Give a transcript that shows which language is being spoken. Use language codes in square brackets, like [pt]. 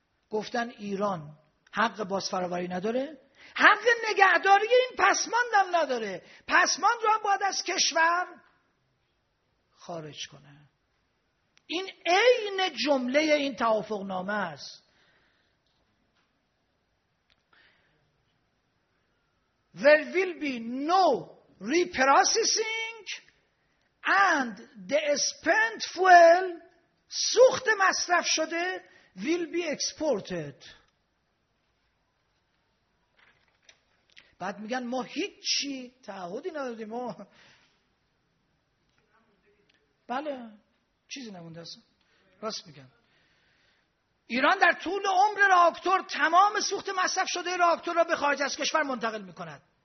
[fa] گفتن ایران حق بازفراوری نداره، حق نگهداری این پسمان هم نداره، پسمان رو هم باید از کشور خارج کنه. این عین جمله این توافقنامه است. [en] There will be no reprocessing and the spent fuel [fa] سوخت مصرف شده [en] will be exported. [fa] بعد میگن ما هیچی تعهدی نداریم. ما بله چیزی نمونده است. راست میگن. ایران در طول عمر راکتور تمام سوخت مصرف شده راکتور را به خارج از کشور منتقل میکند.